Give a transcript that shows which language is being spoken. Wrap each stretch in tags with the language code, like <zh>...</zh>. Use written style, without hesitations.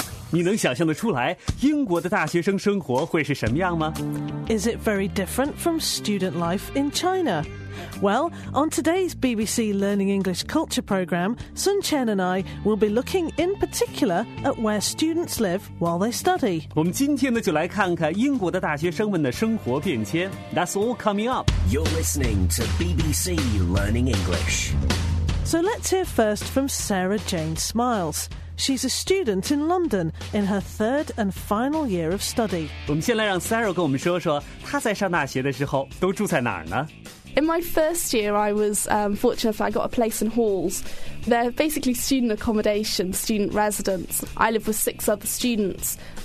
<zh>你能想象得出来英国的大学生生活会是什么样吗？</zh> <en>Is it very different from student life in China? Well, on today's BBC Learning English Culture programme, Sun Chen and I will be looking in particular at where students live while they study.</en> <zh>我们今天呢就来看看英国的大学生们的生活变迁。</zh> <en>That's all coming up. You're listening to BBC Learning English. So let's hear first from Sarah Jane Smiles. She's a student in London in her third and final year of study.</en> <zh>我们先来让 Sarah 跟我们说说她在上大学的时候都住在哪儿呢？</zh> <en>In my first year, I was fortunate that I got a place in halls. They're basically student accommodation, student residence. I live with six other students.</en>